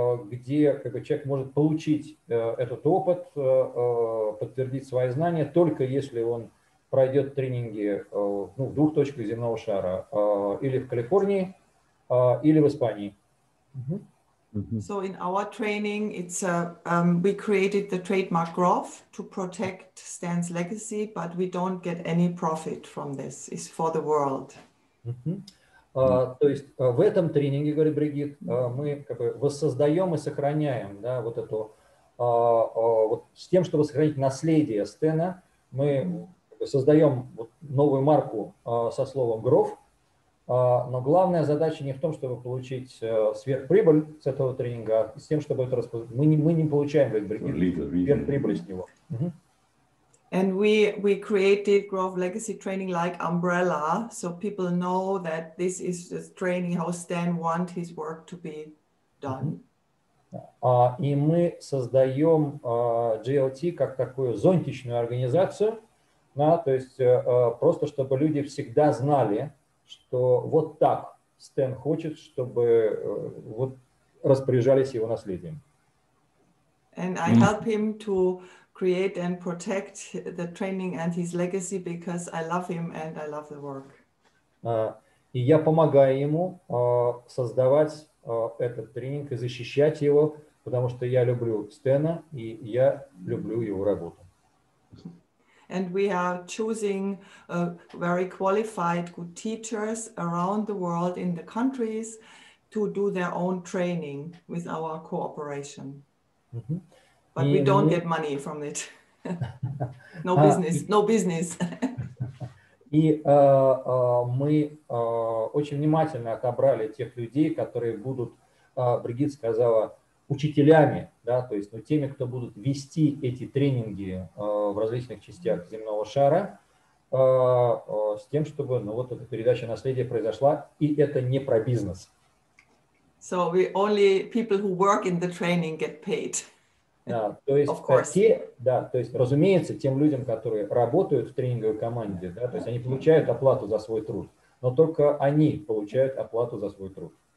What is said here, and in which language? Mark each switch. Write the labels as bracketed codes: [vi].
[ru] Где как бы человек может получить этот опыт, подтвердить свои знания только если он пройдет тренинги в двух точках земного шара, или в Калифорнии, или в Испании. Mm-hmm. [en] So in our training, it's we created the trademark Grof to protect Stan's legacy, but we don't get any profit from this. It's for the world. [ru] То есть в этом тренинге, говорит Бригит, мы как бы воссоздаем и сохраняем, да, вот эту вот с тем, чтобы сохранить наследие Стэна, мы создаем вот новую марку со словом Grof. Но главная задача не в том, чтобы получить сверхприбыль с этого тренинга, а с тем, чтобы это распознать. Мы не получаем, говорит Бригит, сверхприбыль с него. [en] And we created Grof Legacy Training like umbrella, so people know that this is the training how Stan want his work to be done. [ru] И мы создаем GLT как такую зонтичную организацию, да, то есть просто чтобы люди всегда знали, что вот так Стэн хочет, чтобы вот распоряжались его наследием. [en] And I help him to create and protect the training and his legacy because I love him and I love the work. [ru] И я помогаю ему создавать этот тренинг и защищать его, потому что я люблю Стэна и я люблю его работу. [en] And we are choosing very qualified, good teachers around the world in the countries to do their own training with our cooperation. Mm-hmm. But we don't get money from it. No business. No business. [ru] И мы очень внимательно отобрали тех людей, которые будут, Бригит сказала, учителями, да, то есть, ну, теми, кто будут вести эти тренинги в различных частях земного шара, с тем, чтобы, ну, вот эта передача наследия произошла, и это не про бизнес. [en] So we only people who work in the training get paid. [ru] Да, то есть, разумеется, тем людям, которые работают в тренинговой команде, да, то есть, они получают оплату за свой труд, но только они получают оплату за свой труд.